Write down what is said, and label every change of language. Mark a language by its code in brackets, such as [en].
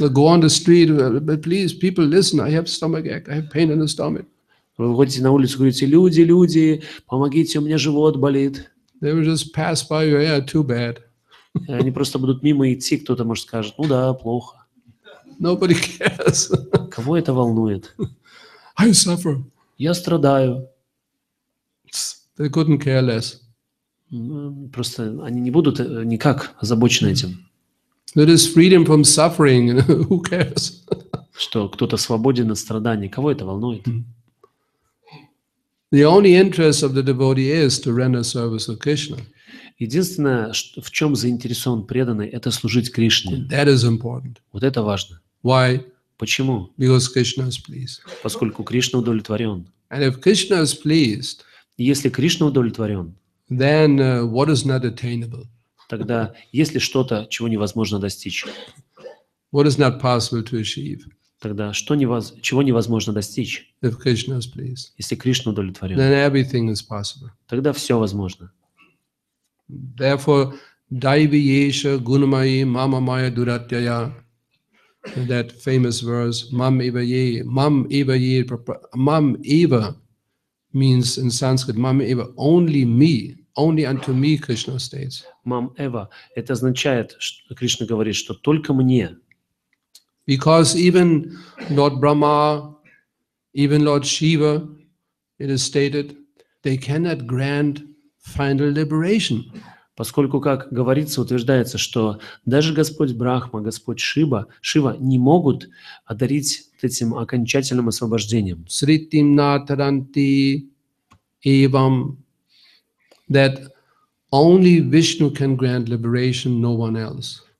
[en] Go on the street, but please, people, listen. I have stomach ache. I have pain in the stomach. [ru] Вы выходите на улицу и говорите, люди, люди, помогите, у меня живот болит. [en] They will just pass by you, yeah, too bad. [ru] Они просто будут мимо идти, кто-то может скажет, ну да, плохо. [en] Nobody cares. [ru] Кого это волнует? [en] I suffer. [ru] Я страдаю. [en] They couldn't care less. [ru] Просто они не будут никак озабочены этим. [en] There is freedom from suffering, who cares? [ru] Что кто-то свободен от страданий, кого это волнует? [en] The only interest of the devotee is to render service to Krishna. [ru] Единственное, в чем заинтересован преданный, это служить Кришне. [en] That is important. [ru] Вот это важно. [en] Why? [ru] Почему? [en] Because Krishna is pleased. [ru] Поскольку Кришна удовлетворен. [en] And if Krishna is pleased, [ru] если Кришна удовлетворен, [en] then what is not attainable? [ru] Тогда есть ли что-то, чего невозможно достичь? [en] What is not possible to achieve? [ru] Тогда что чего невозможно достичь? [en] If Krishna is pleased, [ru] если Кришна удовлетворен, [en] then everything is possible. [ru] Тогда все возможно. [en] Therefore, [sa] Daiviyesha Gunamayi Mama Maya Duratyaya, [en] that famous verse, Mam Eva means in Sanskrit, Mam Eva, only me, only unto me Krishna states. [ru] Mam Eva, это означает, что Кришна говорит, что только мне. [en] Because even Lord Brahma, even Lord Shiva, it is stated, they cannot grant final liberation. [ru] Поскольку, как говорится, утверждается, что даже Господь Брахма, Господь Шива не могут одарить этим окончательным освобождением. [sa] Sritim nataranti evam, [en] that only Vishnu can grant liberation, no one else.